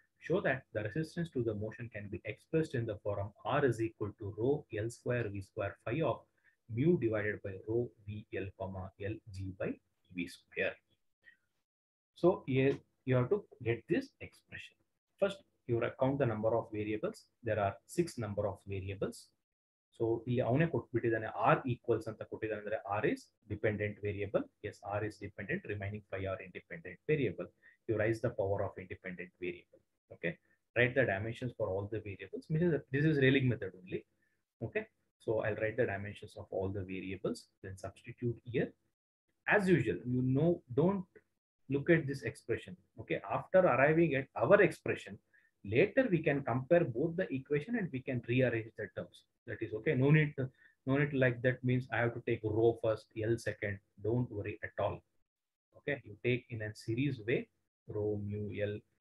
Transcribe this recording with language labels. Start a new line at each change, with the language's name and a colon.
English: Show that the resistance to the motion can be expressed in the form R is equal to rho L square V square phi of mu divided by rho V L comma L G by V square. So here you have to get this expression. First, you count the number of variables. There are 6 number of variables.
Kannada: So ಇಲ್ಲಿ ಅವನೇ ಕೊಟ್ಬಿಟ್ಟಿದ್ದಾನೆ R equals ಅಂತ ಕೊಟ್ಟಿದ್ದಾನೆ ಅಂದ್ರೆ
English: R is dependent variable. S, R is dependent, remaining five are independent variable. You rice the power of independent variable. Okay, right the dimensions for all the variables. Means this is reeling method only. Okay, so I right the dimensions of all the variables, then substitute year. As usual you know, don't look at this expression. Okay, after arriving at our expression, later we can compare both the equation and we can rearrange the terms. That is okay, no need to like that means I have to take rho first, L second. Don't worry at all. Okay, you take in a series way rho, mu, L.